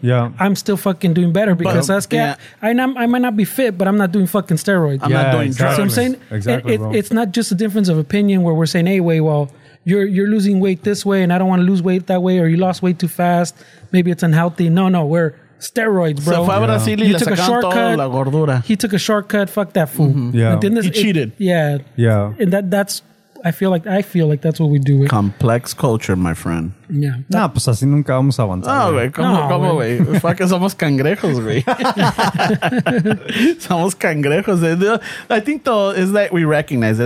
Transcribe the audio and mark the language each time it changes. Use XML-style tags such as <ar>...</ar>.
<en>Yeah. I'm still fucking doing better because that's cat. I might not be fit, but I'm not doing fucking steroids. I'm not doing steroids. So I'm saying it's not just a difference of opinion where we're saying, hey, wait, well, you're losing weight this way and I don't want to lose weight that way, or you lost weight too fast. Maybe it's unhealthy. No, we're steroids, bro.</en> <es>Se fue a Brasil y le sacan toda la gordura.</es> <en>He took a shortcut. Fuck that fool. Mm-hmm. Yeah. And then he cheated. Yeah. And that's, I feel like that's what we do. Complex culture, my friend. Yeah.</en> <es>No, pues así nunca vamos a avanzar. No, güey. ¿Cómo, güey? Fue que somos cangrejos, güey. Somos cangrejos.</es> <en>I think, though, is that we recognize it.</en>